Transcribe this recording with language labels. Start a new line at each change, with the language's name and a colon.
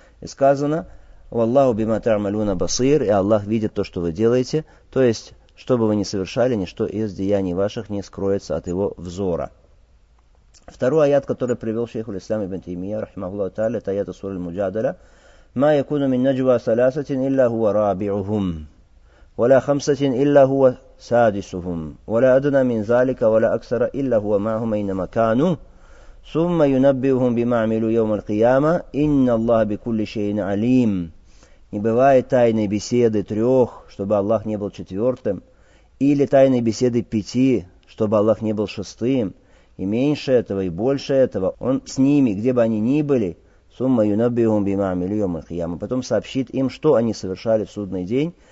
Russian: И сказано, «Валлаху бима та'малюна басир», и Аллах видит то, что вы делаете. То есть, что бы вы ни совершали, ничто из деяний ваших не скроется от его взора. Второй аят, который привел шейху Ислам ибн Таймия, рахимахуллаху та'аля, это аят сура Аль-Муджадаля.
Arabic: ما يكون من نجوى ثلاثة إلا هو رابعهم ولا خمسة إلا هو سادسهم ولا أدنى من ذلك ولا أكثر إلا هو معهم أينما كانوا ثم ينبئهم بما عملوا يوم القيامة إن الله بكل شيء عليم.
Russian: Не бывает тайной беседы трех, чтобы Аллах не был четвертым, или тайной беседы пяти, чтобы Аллах не был шестым, и меньше этого, и больше этого, Он с ними, где бы они ни были,
Arabic: ثُمَّ يُنَبِّهُمْ بِمَا عَمِلُوا يَوْمَ الْقِيَامَةِ
Russian: Потом сообщит им, что они совершали в судный день.